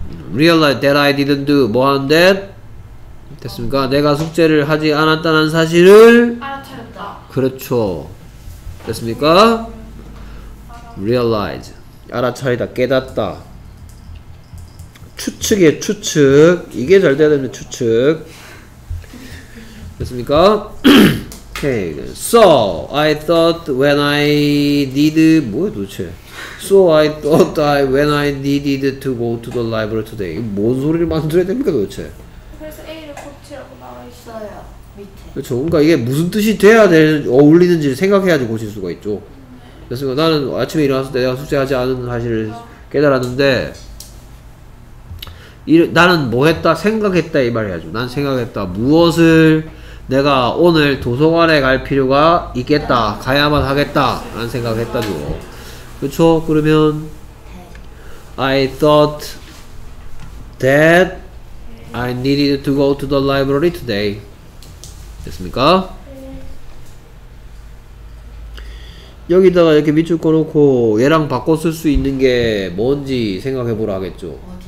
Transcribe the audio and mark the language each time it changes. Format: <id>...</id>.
<en>realized that I didn't do</en> <ko>뭐 한</ko> <en>that?</en> <ko>됐습니까? 내가 숙제를 하지 않았다는 사실을 알아차렸다. 그렇죠. 됐습니까? realize 알아차리다, 깨닫다. 추측이에 추측. 이게 잘 돼야 되는 추측. 됐습니까? Okay.</ko> <en>So I thought when I need</en> <ko>뭐야 도대체?</ko> <en>So I thought I when I needed to go to the library today.</en> <ko>뭔 소리를 만들어야 됩니까 도대체? 그래서 A를 고치라고 나와 있어요 밑에. 그렇죠. 그러니까 이게 무슨 뜻이 돼야 될 어울리는지를 생각해야지 고칠 수가 있죠. 그래서 나는 아침에 일어났을 때 내가 숙제하지 않은 사실을 깨달았는데 나는 뭐 했다 생각했다 이 말해야죠. 난 생각했다 무엇을 내가 오늘 도서관에 갈 필요가 있겠다. 가야만 하겠다. 라는 생각을 했다죠. 그쵸?</ko> <en>그러면 I thought that I needed to go to the library today.</en> <ko>됐습니까? 여기다가 이렇게 밑줄 꺼놓고 얘랑 바꿔 쓸 수 있는 게 뭔지 생각해 보라 하겠죠.</ko>